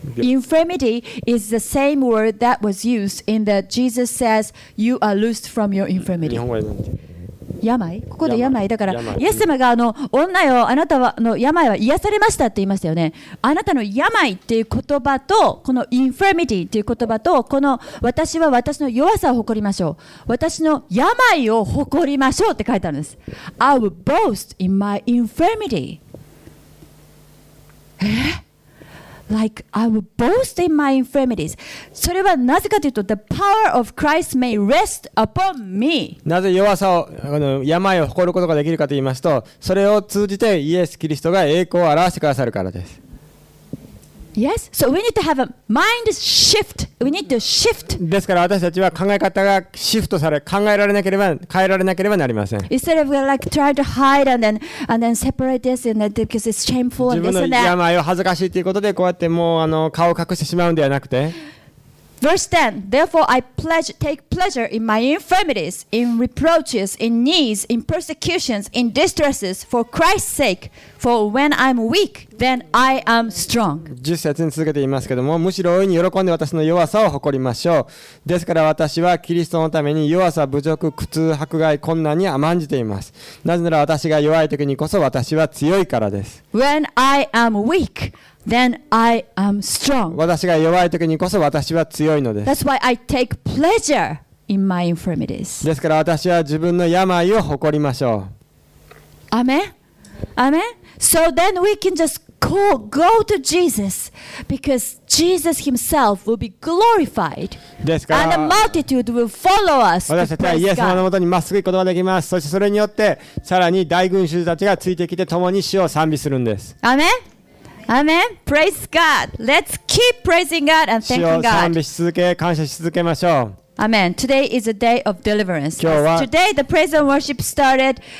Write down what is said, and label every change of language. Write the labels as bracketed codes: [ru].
[en] Infirmity is the same word that was used in the Jesus says, you are loosed from your infirmity. [ja] 日本語で何て言う？病？ここで病だから、イエス様があの女よ、あなたはの病は癒されましたって言いましたよね。あなたの病っていう言葉と、このインフィルミティっていう言葉と、この私は私の弱さを誇りましょう。私の病を誇りましょうって書いてあるんです。 [en] I will boast in my infirmity. え？ Like I will boast in my infirmities. [ja] それはなぜかというと、 [en] the power of Christ may rest upon me. [ja] なぜ弱さを、あの、病を誇ることができるかと言いますと、それを通じてイエス・キリストが栄光を表してくださるからです。 [en] Yes? So we need to have a mind shift. We need to shift. [ja] ですから私たちは考え方がシフトされ、考えられなければ、変えられなければなりません。 [en] Instead of like trying to hide and then separate this and that because it's shameful and this and that. [ja] 自分の病を恥ずかしいということでこうやってもうあの顔を隠してしまうんではなくて。 [en] Verse 10. Therefore I take pleasure in my infirmities, in reproaches, in needs, in persecutions, in distresses for Christ's sake. For when I'm weak, then I am strong. [ja] 10節に続けて言いますけども、むしろ大いに喜んで私の弱さを誇りましょう。ですから私はキリストのために弱さ、侮辱、苦痛、迫害、困難に甘んじています。なぜなら私が弱い時にこそ私は強いからです。 [en] When I am weak, then I am strong. [ja] 私が弱い時にこそ私は強いのです。 [en] That's why I take pleasure in my infirmities. [ja] ですから私は自分の病を誇りましょう。アメン。Amen. [en] So then we can just go to Jesus because Jesus himself will be glorified. [ja] ですから、 [en] and the multitude will follow us. [ja] 私たちはイエス様のもとにまっすぐ行くことができます。そしてそれによってさらに大群衆たちがついてきて共に主を賛美するんです。 [en] Amen. Amen. Praise God. Let's keep praising God and thanking God. [ja] 主を賛美し続け、感謝し続けましょう。 [en] Amen. Today is a day of deliverance. Today the praise and worship started.